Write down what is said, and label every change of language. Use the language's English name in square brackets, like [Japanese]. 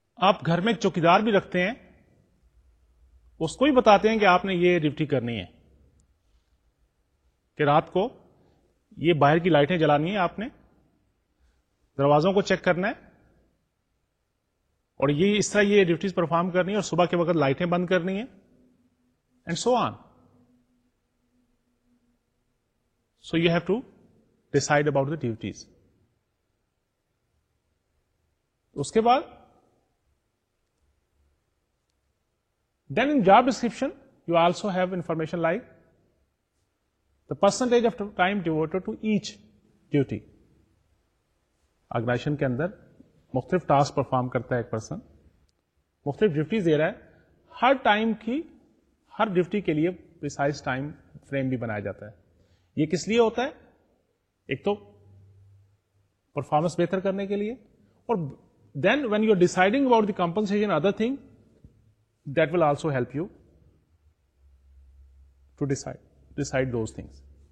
[Urdu] آپ گھر میں چوکیدار بھی رکھتے ہیں, اس کو ہی بتاتے ہیں کہ آپ نے یہ ڈیوٹی کرنی ہے کہ رات کو یہ باہر کی لائٹیں جلانی ہیں, آپ نے دروازوں کو چیک کرنا ہے اور یہ اس طرح یہ ڈیوٹیز پرفارم کرنی ہے اور صبح کے وقت لائٹیں بند کرنی ہیں, [English] And so on. So you have to decide about the duties. [Urdu] اس کے بعد [English] then in job description you also have information like the percentage of time devoted to each duty. [Urdu] Organization کے اندر مختلف task perform کرتا ہے ایک person, مختلف duties دے رہا ہے, ہر time کی ہر duty کے لیے precise time frame بھی بنایا جاتا ہے. یہ کس لیے ہوتا ہے؟ ایک تو performance بہتر کرنے کے لیے, اور [English] then when you are deciding about the compensation other thing that will also help you to decide those things.